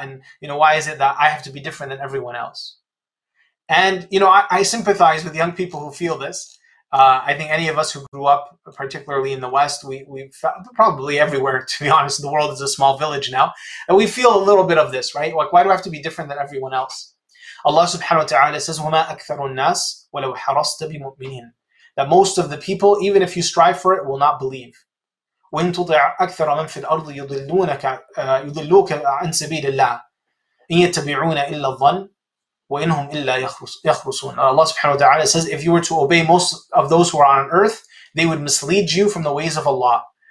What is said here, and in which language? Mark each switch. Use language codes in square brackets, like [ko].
[en] And, you know, why is it that I have to be different than everyone else? And, you know, I sympathize with young people who feel this. I think any of us who grew up, particularly in the West, we probably everywhere, to be honest, the world is a small village now. And we feel a little bit of this, right? Like, why do I have to be different than everyone else? Allah subhanahu wa ta'ala says, [ar] وَمَا أَكْثَرُ النَّاسِ وَلَوْ حَرَصْتَ بِمُؤْمِنِينَ. [en] That most of the people, even if you strive for it, will not believe. [ar] وَإِن تُطِعْ أَكْثَرَ مَنْ فِي الْأَرْضِ يُضِلُّوكَ عَنْ سَبِيلِ اللَّهِ إِن يَتَّبِعُونَ إِلَّا الظَّنَّ وَإِنْهُمْ إِلَّا يَخْرُصُونَ. [en] Allah subhanahu wa ta'ala says, if you were to obey most of those who are on earth, they would mislead you from the ways of Allah.